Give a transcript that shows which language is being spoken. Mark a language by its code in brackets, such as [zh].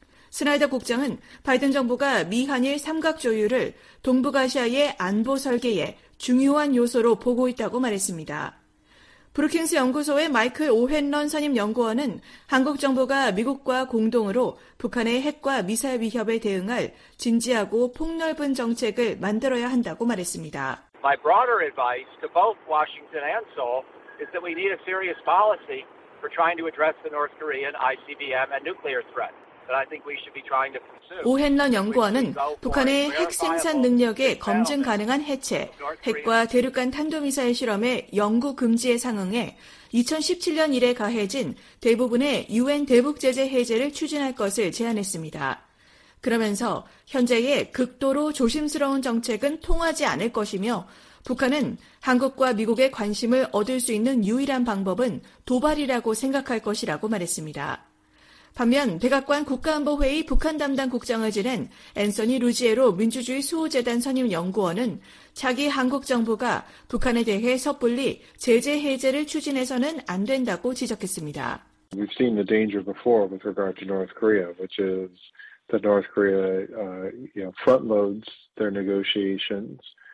[ko] 스나이더 국장은 바이든 정부가 미한일 삼각 조율을 동북아시아의 안보 설계에 중요한 요소로 보고 있다고 말했습니다. 브루킹스 연구소의 마이클 오헨런 선임 연구원은 한국 정부가 미국과 공동으로 북한의 핵과 미사일 위협에 대응할 진지하고 폭넓은 정책을 만들어야 한다고 말했습니다. [en] My broader advice to both Washington and Seoul is that we need a serious policy for trying to address the North Korean ICBM and nuclear threat. [ko] 오헨런 연구원은 북한의 핵 생산 능력의 검증 가능한 해체, 핵과 대륙간 탄도미사일 실험의 영구 금지에 상응해 2017년 이래 가해진 대부분의 유엔 대북 제재 해제를 추진할 것을 제안했습니다. 그러면서 현재의 극도로 조심스러운 정책은 통하지 않을 것이며 북한은 한국과 미국의 관심을 얻을 수 있는 유일한 방법은 도발이라고 생각할 것이라고 말했습니다. 반면 백악관 국가안보회의 북한 담당 국장을 지낸 앤서니 루지에로 민주주의 수호재단 선임 연구원은 차기 한국 정부가 북한에 대해 섣불리 제재 해제를 추진해서는 안 된다고 지적했습니다. [en] We've seen the danger before with regard to North Korea, which is that North Korea front-loads their negotiations.